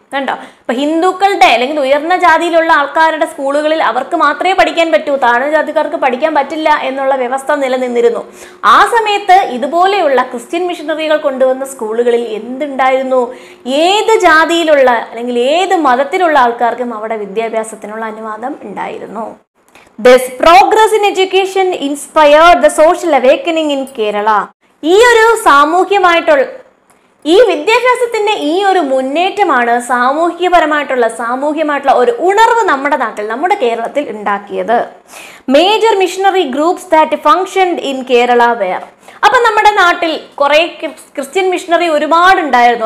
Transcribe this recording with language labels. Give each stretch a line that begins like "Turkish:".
Malayalam: കണ്ടോ, ഇപ്പൊ ഹിന്ദുക്കളുടെ അല്ലെങ്കിൽ ഉയർന്ന ജാതിയിലുള്ള ആൾക്കാരുടെ സ്കൂളുകളിൽ അവർക്ക് മാത്രമേ പഠിക്കാൻ പറ്റൂ, താഴ്ന്ന ജാതിക്കാർക്ക് പഠിക്കാൻ പറ്റില്ല എന്നുള്ള വ്യവസ്ഥ നിലനിന്നിരുന്നു. ആ സമയത്ത് ഇതുപോലെയുള്ള ക്രിസ്ത്യൻ മിഷനറികൾ കൊണ്ടുവന്ന സ്കൂളുകളിൽ എന്തുണ്ടായിരുന്നു? ഏത് ജാതിയിലുള്ള അല്ലെങ്കിൽ ഏത് മതത്തിലുള്ള ആൾക്കാർക്കും അവിടെ വിദ്യാഭ്യാസത്തിനുള്ള അനുവാദം ഉണ്ടായിരുന്നു.
English: This progress in education inspired the social awakening in Kerala.
Malayalam: ഈ ഒരു സാമൂഹ്യമായിട്ടുള്ള ഈ വിദ്യാഭ്യാസത്തിന്റെ ഈ ഒരു മുന്നേറ്റമാണ് സാമൂഹ്യപരമായിട്ടുള്ള ഒരു ഉണർവ് നമ്മുടെ നാട്ടിൽ നമ്മുടെ കേരളത്തിൽ ഉണ്ടാക്കിയത്.
English: Major missionary groups that functioned in Kerala where.
Malayalam: അപ്പം നമ്മുടെ നാട്ടിൽ കുറേ ക്രിസ്ത്യൻ മിഷണറി ഒരുപാടുണ്ടായിരുന്നു.